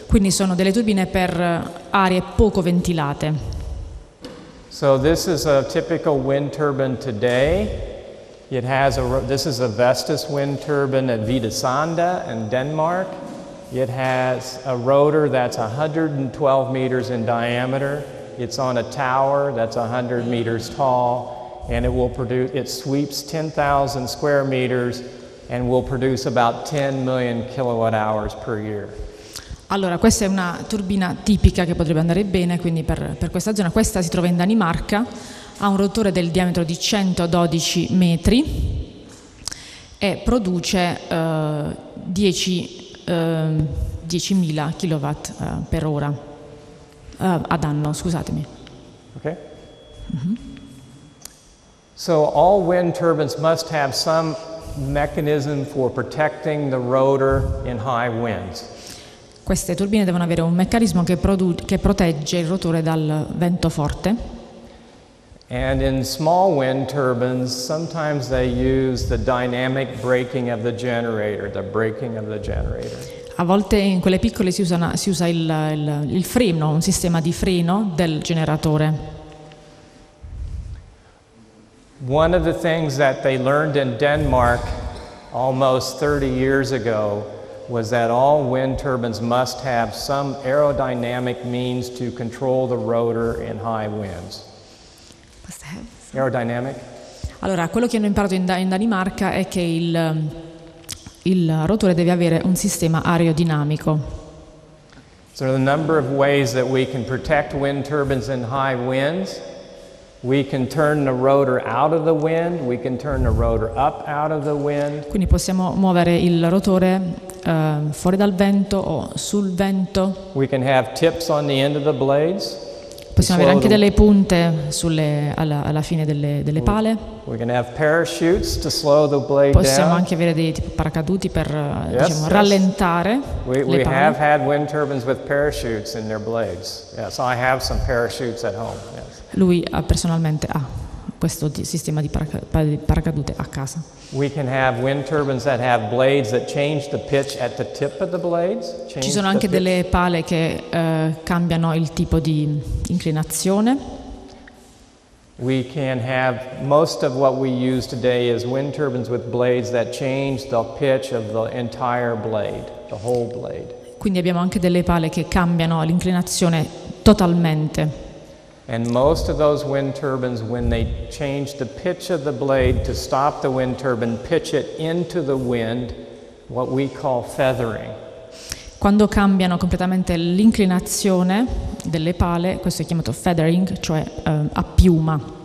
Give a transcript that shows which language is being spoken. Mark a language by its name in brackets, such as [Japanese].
[Italian] Quindi sono delle turbine per aree poco ventilate. [English] So this is a typical wind turbine today. It has this is a Vestas wind turbine at Hvidsanda in Denmark. It has a rotor that's 112 meters in diameter. It's on a tower that's 100 meters tall, and it sweeps 10,000 square meters and will produce about 10 million kilowatt hours per year. [Italian] Allora, questa è una turbina tipica che potrebbe andare bene, quindi per questa zona. Questa si trova in Danimarca, ha un rotore del diametro di 112 metri e produce 10.000 kilowatt per ora ad anno, scusatemi. Okay. Mm-hmm. [English] So all wind turbines must have some mechanism for protecting the rotor in high winds. [Italian] Queste turbine devono avere un meccanismo che protegge il rotore dal vento forte. [English] And in small wind turbines, sometimes they use the dynamic braking of the generator, the braking of the generator. [Italian] A volte in quelle piccole si usa il freno, un sistema di freno del generatore. [English] One of the things that they learned in Denmark almost 30 years ago was that all wind turbines must have some aerodynamic means to control the rotor in high winds. Aerodynamic? [Italian] Allora, quello che hanno imparato in Danimarca è che il rotore deve avere un sistema aerodinamico. [English] So there are a number of ways that we can protect wind turbines in high winds. We can turn the rotor out of the wind, we can turn the rotor up out of the wind. [Italian] Quindi possiamo muovere il rotore fuori dal vento o sul vento. [English] We can have tips on the end of the blades. [Italian] Possiamo avere anche delle punte alla fine delle pale. [English] We can have parachutes to slow the blade. [Italian] Possiamo [English] down. [Italian] Anche avere dei tipo paracaduti per rallentare le pale. [English] We have had wind turbines with parachutes in their blades. Yes, I have some parachutes at home. Yes. [Italian] Lui personalmente ha questo sistema di paracadute a casa. [English] We can have wind turbines that have blades that change the pitch at the tip of the blades. [Italian] Ci sono anche delle pale che cambiano il tipo di inclinazione. [English] We can have most of what we use today is wind turbines with blades that change the pitch of the entire blade, the whole blade. [Italian] Quindi abbiamo anche delle pale che cambiano l'inclinazione totalmente. [English] And most of those wind turbines, when they change the pitch of the blade to stop the wind turbine, pitch it into the wind, what we call feathering. [Italian] Quando cambiano completamente l'inclinazione delle pale, questo è chiamato feathering, cioè a piuma.